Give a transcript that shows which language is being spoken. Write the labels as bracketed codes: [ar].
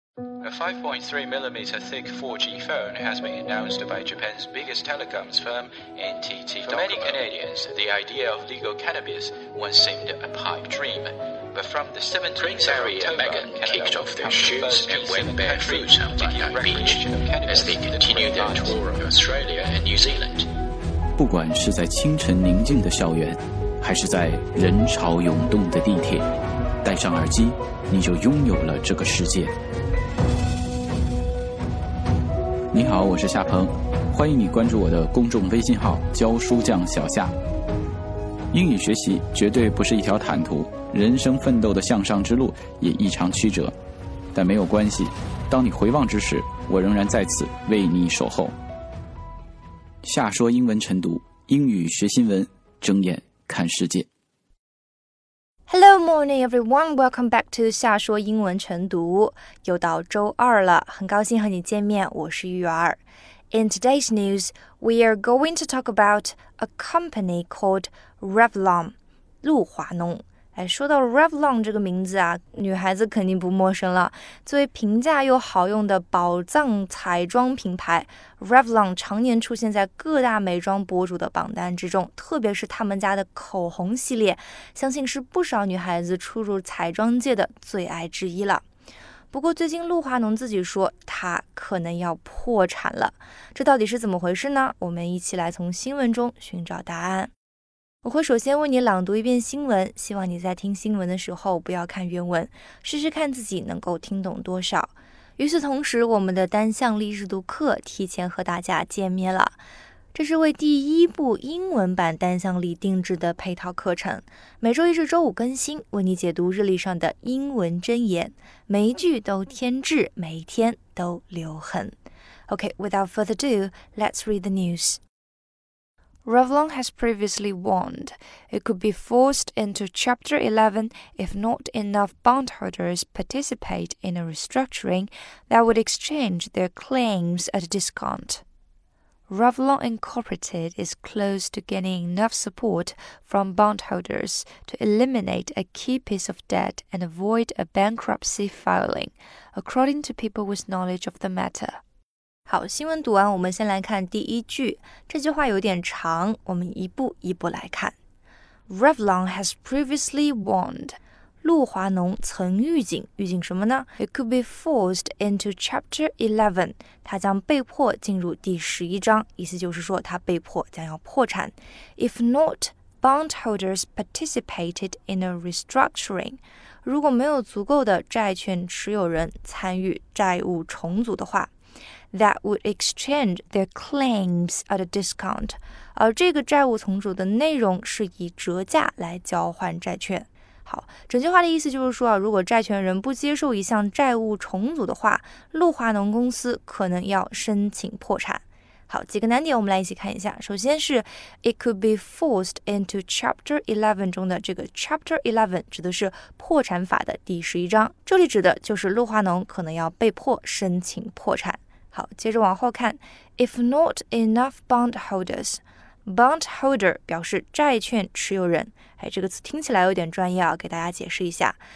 [en] A 5.3mm thick 4G phone has been announced by Japan's biggest telecoms firm, NTT Docomo. For many Canadians, the idea of legal cannabis once seemed a pipe dream. But from the 17th of October, Megan kicked off their shoes and went barefoot on Bondi Beach as they continued their tour of Australia and New Zealand. [zh] 不管是在清晨宁静的校园，还是在人潮涌动的地铁，戴上耳机，你就拥有了这个世界。你好，我是夏鹏，欢迎你关注我的公众微信号“教书匠小夏”。英语学习绝对不是一条坦途，人生奋斗的向上之路也异常曲折，但没有关系，当你回望之时，我仍然在此为你守候。夏说英文晨读，英语学新闻，睁眼看世界。 [en] Hello, morning, everyone. Welcome back to [zh] 夏说英文晨读。又到周二了，很高兴和你见面，我是玉儿。 [en] In today's news, we are going to talk about a company called Revlon, 露华浓。 [zh] 哎，说到 Revlon 这个名字啊，女孩子肯定不陌生了。作为平价又好用的宝藏彩妆品牌， Revlon 常年出现在各大美妆博主的榜单之中，特别是他们家的口红系列，相信是不少女孩子初入彩妆界的最爱之一了。不过最近露华浓自己说她可能要破产了，这到底是怎么回事呢？我们一起来从新闻中寻找答案。我会首先为你朗读一遍新闻，希望你在听新闻的时候不要看原文，试试看自己能够听懂多少。与此同时，我们的单向力日读课提前和大家见面了。这是为第一部英文版单向力定制的配套课程，每周一至周五更新，为你解读日历上的英文箴言，每一句都添置，每一天都留痕。 [en] OK, without further ado, let's read the news. Revlon has previously warned it could be forced into Chapter 11 if not enough bondholders participate in a restructuring that would exchange their claims at a discount. Revlon Incorporated is close to gaining enough support from bondholders to eliminate a key piece of debt and avoid a bankruptcy filing, according to people with knowledge of the matter. [zh] 好，新闻读完，我们先来看第一句。这句话有点长，我们一步一步来看。 [en] Revlon has previously warned. [zh] 露华浓曾预警，预警什么呢？ [en] It could be forced into Chapter 11. [zh] 它将被迫进入第十一章，意思就是说它被迫将要破产。 [en] If not, bondholders participated in a restructuring. [zh] 如果没有足够的债券持有人参与债务重组的话。 That would exchange their claims at a discount. 而这个债务重组的内容是以折价来交换债券。好，整句话的意思就是说，如果债权人不接受一项债务重组的话，露华浓公司可能要申请破产。好，几个难点我们来一起看一下。首先是 [en] It could be forced into Chapter 11 [zh] 中的这个 [en] Chapter 11 [zh] 指的是破产法的第十一章，这里指的就是露华浓可能要被迫申请破产。好，接着往后看 [en] If not enough bondholders, [zh] bondholder 表示债券持有人。哎，这个词听起来有点专业啊，给大家解释一下。